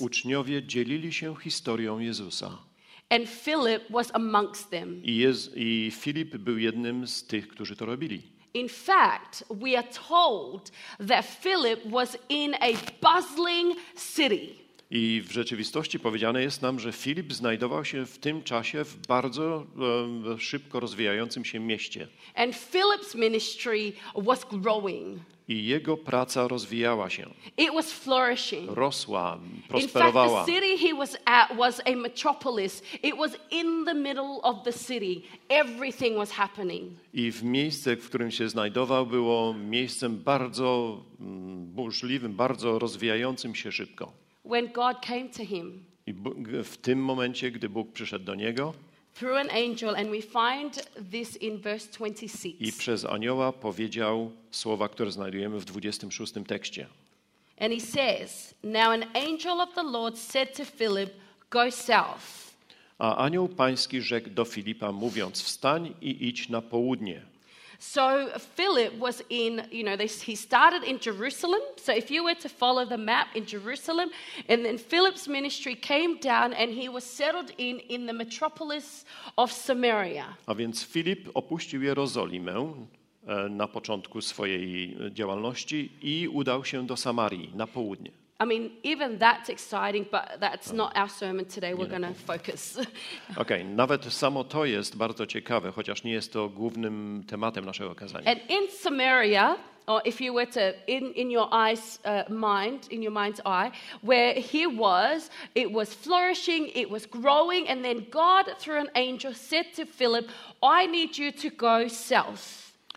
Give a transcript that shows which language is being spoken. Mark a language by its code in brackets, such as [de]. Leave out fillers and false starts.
[pl] Uczniowie dzielili się historią Jezusa. [en] And Philip was amongst them. [pl] I Filip był jednym z tych, którzy to robili. [en] In fact, we are told that Philip was in a bustling city. [pl] I w rzeczywistości powiedziane jest nam, że Filip znajdował się w tym czasie w bardzo szybko rozwijającym się mieście. [en] And Philip's ministry was growing. [pl] I jego praca rozwijała się. [en] It was flourishing. [pl] Rosła, prosperowała. [en] In fact, the city he was at was a metropolis. It was in the middle of the city. Everything was happening. [pl] I w miejsce, w którym się znajdował, było miejscem bardzo burzliwym, bardzo rozwijającym się szybko. [en] When God came to him. [pl] I w tym momencie, gdy Bóg przyszedł do niego. [en] Through an angel, and we find this in verse 26. [pl] I przez anioła powiedział słowa, które znajdujemy w 26 tekście. [en] And he says, "Now an angel of the Lord said to Philip, 'Go south.'" [pl] A anioł pański rzekł do Filipa, mówiąc: "Wstań i idź na południe." [en] So Philip was in, you know, he started in Jerusalem. So if you were to follow the map in Jerusalem, and then Philip's ministry came down and he was settled in the metropolis of Samaria. [pl] A więc Filip opuścił Jerozolimę na początku swojej działalności i udał się do Samarii na południe. [en] I mean, even that's exciting, but that's not our sermon today. We're going to focus. [pl] Okay, nawet samo to jest bardzo ciekawe, chociaż nie jest to głównym tematem naszego kazania. [en] And in Samaria, or if you were to in your mind's eye, where he was, it was flourishing, it was growing, and then God through an angel said to Philip, "I need you to go south."